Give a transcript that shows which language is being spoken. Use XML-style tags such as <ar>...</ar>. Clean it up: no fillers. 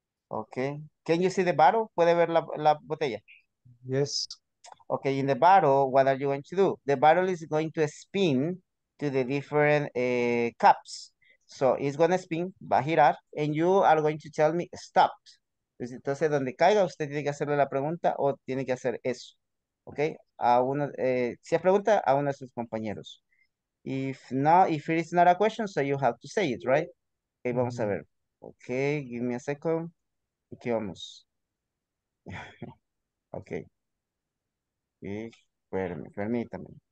<en>Okay, can you see the bottle?</en> <es>¿Puede ver la botella?</es> <en>Yes. Okay, in the bottle, what are you going to do? The bottle is going to spin to the different cups. So it's gonna spin,</en> <es>va a girar,</es> <en>and you are going to tell me stop.</en> <es>Entonces, donde caiga, usted tiene que hacerle la pregunta o tiene que hacer eso. Okay? A uno, si es pregunta, a uno de sus compañeros.</es> <en>If it is not a question, so you have to say it, right? Okay, mm-hmm.</en> <es>Vamos a ver.</es> <en>Okay, give me a second.</en> <es>Aquí vamos. Okay. Y permítame.</es>